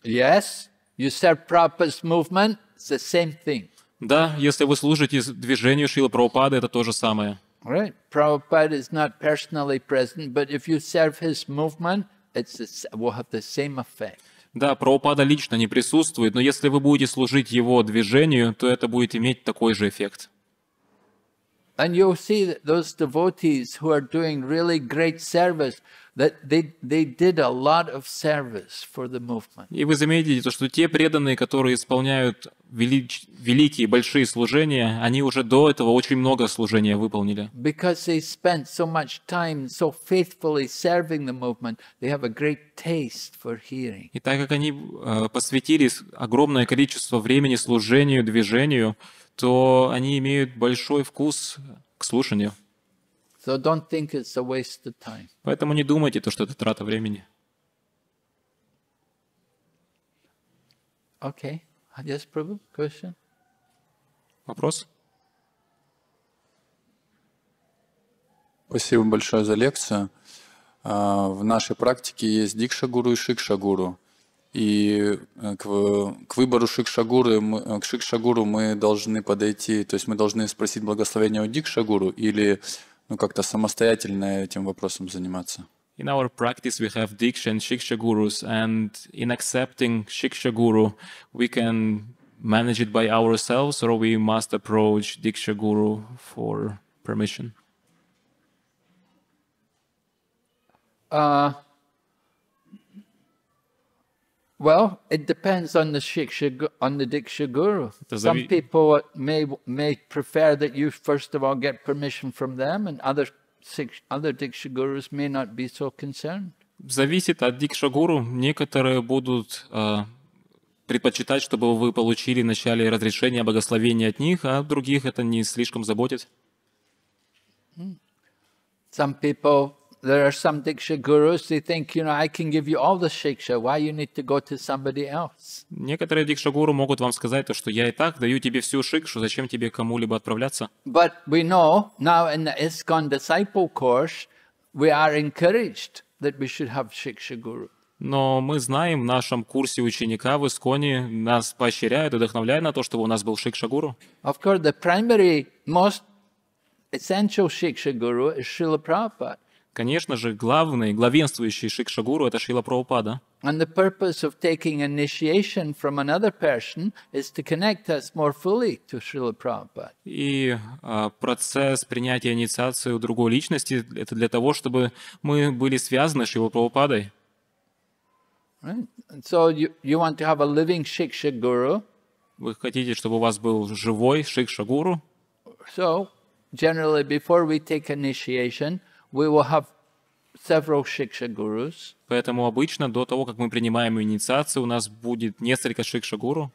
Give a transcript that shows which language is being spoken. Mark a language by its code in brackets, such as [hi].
[en] Yes, you serve Prabhupada's movement, it's the same thing. [ru] Да, если вы служите движению Шрилы Прабхупады, это то же самое. [en] Right. Prabhupada is not personally present, but if you serve his movement, will have the same effect. [ru] Да, Прабхупада лично не присутствует, но если вы будете служить его движению, то это будет иметь такой же эффект. [en] And you'll see that those devotees who are doing really great service, that they did a lot of service for the movement. [ru] И вы заметите то, что те преданные, которые исполняют великие большие служения, они уже до этого очень много служения выполнили. [en] Because they spent so much time so faithfully serving the movement, they have a great taste for hearing. [ru] И так как они посвятили огромное количество времени служению движению, то они имеют большой вкус к слушанию. [en] So don't think it's a waste of time. [ru] Поэтому не думайте, то, что это трата времени. [en] Okay. Yes, Prabhu, question? [ru] Вопрос? Спасибо большое за лекцию. В нашей практике есть дикша-гуру и шикша-гуру. И к выбору шикша-гуру, к шикша-гуру мы должны подойти, то есть мы должны спросить благословение у дикша-гуру или... Ну, как-то самостоятельно этим вопросом заниматься. [en] In our practice we have Diksha and Shiksha Gurus, and in accepting Shiksha Guru, we can manage it by ourselves, or we must approach Diksha Guru for permission? Well, it depends on the Shiksha, on the Diksha Guru. Some people may prefer that you first of all get permission from them, and other Diksha Gurus may not be so concerned. [ru] Зависит от Дикша Гуру. Некоторые будут предпочитать, чтобы вы получили вначале разрешение, благословение от них, а других это не слишком заботит. [en] Some people there are some diksha gurus, they think, you know, I can give you all the shiksha, why you need to go to somebody else? [ru] Некоторые дикша гуру могут вам сказать, что я и так даю тебе всю шикшу, зачем тебе кому-либо отправляться? [en] But we know now in the ISKCON disciple course, we are encouraged that we should have shiksha guru. [ru] Но мы знаем, в нашем курсе ученика в Исконе нас поощряют, вдохновляют на то, чтобы у нас был шикша гуру. [en] Of course, the primary, most essential shiksha guru is Srila Prabhupada. [ru] Конечно же, главный, главенствующий шикша гуру — это Шрила Прабхупада. [en] And the purpose of taking initiation from another person is to connect us more fully to Srila Prabhupada. [ru] И процесс принятия инициации у другой личности — это для того, чтобы мы были связаны с Шрила Прабхупадой. [en] Right. So you want to have a living shiksha guru? [ru] Вы хотите, чтобы у вас был живой шикша гуру? [en] So generally, before we take initiation, we will have several shiksha gurus. [ru] Поэтому обычно до того, как мы принимаем инициацию, у нас будет несколько шикша гуру.